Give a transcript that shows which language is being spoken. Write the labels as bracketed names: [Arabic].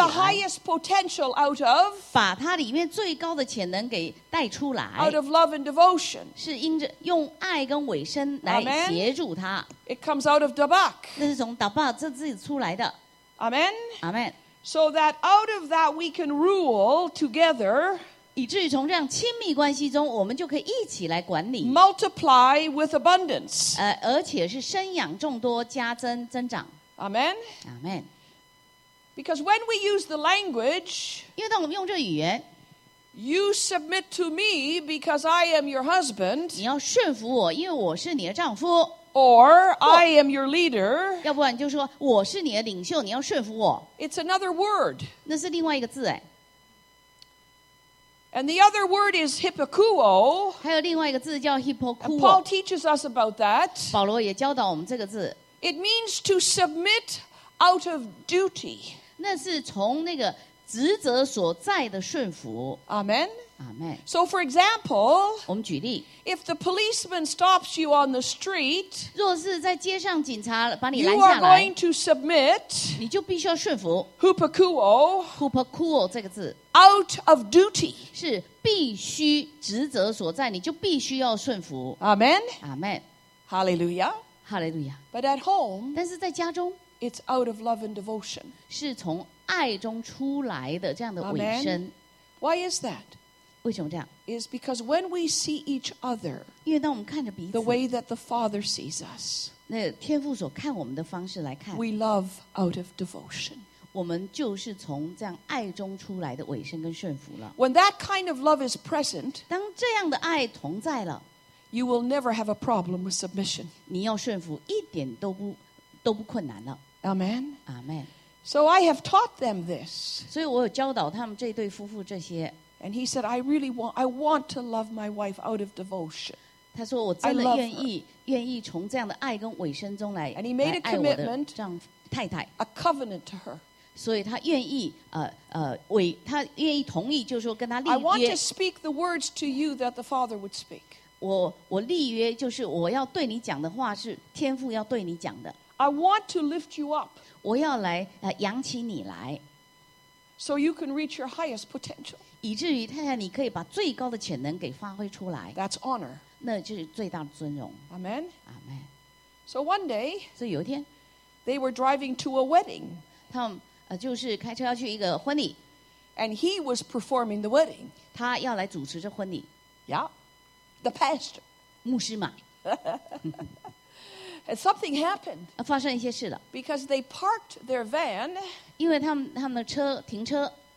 [English] To draw the highest potential out of. [Chinese] 把它里面最高的潜能给带出来。 [English] Out of love and devotion. [Chinese] 是因着用爱跟委身来协助它。 [English] It comes out of dabak. [Chinese] 那是从 dabak 这字出来的。 [English] Amen. Amen. So that out of that we can rule together. [Chinese] 以至于从这样亲密关系中，我们就可以一起来管理。 [English] Multiply with abundance. [Chinese] 而且是生养众多，加增增长。 [English] Amen. Amen. Because when we use the language, [Chinese] 因为当我们用这语言 [English] ，You submit to me because I am your husband. [Chinese] 你要顺服我，因为我是你的丈夫。 [English] Or I am your leader. [Chinese] 要不然就说我是你的领袖，你要顺服我。 [English] It's another word. [Chinese] 那是另外一个字哎。 [English] And the other word is hypokouo. [Chinese] 还有另外一个字叫 hypokouo. [English] Paul teaches us about that. [Chinese] 保罗也教导我们这个字。 [English] It means to submit out of duty. [Chinese] 那是从那个职责所在的顺服。 [English] Amen. Amen. So, for example, [Chinese] 我们举例 [English] if the policeman stops you on the street, [Chinese] 若是在街上警察把你拦下来 [English] you are going to submit, [Chinese] 你就必须要顺服 [English] hupakuo, [Chinese] hupakuo 这个字 [English] out of duty, [Chinese] 是必须职责所在，你就必须要顺服 [English] Amen. Amen. Hallelujah. Hallelujah. But at home, [Chinese] 但是在家中 [English] it's out of love and devotion, [Chinese] 是从爱中出来的这样的委身 [English] Why is that? [Chinese] 为什么这样 [English] is because when we see each other, [Chinese] 因为当我们看着彼此 [English] the way that the Father sees us, [Chinese] 那天父所看我们的方式来看 [English] we love out of devotion, [Chinese] 我们就是从这样爱中出来的委身跟顺服了 [English] when that kind of love is present, [Chinese] 当这样的爱同在了 [English] you will never have a problem with submission, [Chinese] 你要顺服一点都不困难了 [English] Amen. Amen. So I have taught them this, [Chinese] 所以我有教导他们这对夫妇这些 [English] And he said, I really want, I want to love my wife out of devotion. [Chinese] 他说我真的愿意从这样的爱跟委身中来 [English] And he made a commitment, [Chinese] 丈夫太太 [English] a covenant to her. [Chinese] 所以他愿意他愿意同意就是说跟他立约 [English] I want to speak the words to you that the Father would speak. [Chinese] 我立约就是我要对你讲的话是天父要对你讲的 [English] I want to lift you up. [Chinese] 我要来扬起你来 [English] So you can reach your highest potential. [Chinese] 以至于太太，你可以把最高的潜能给发挥出来。 [English] That's honor. [Chinese] 那就是最大的尊荣。 [English] Amen. Amen. So one day, [Chinese] 所以有一天 [English] ，they were driving to a wedding. [Chinese] 他们就是开车要去一个婚礼。 [English] And he was performing the wedding. [Chinese] 他要来主持这婚礼。 [English] Yeah. The pastor. [Chinese] 牧师嘛。 [English] And something happened. [Chinese] 发生一些事了。 [English] Because they parked their van. [Chinese] 因为他们的车停车。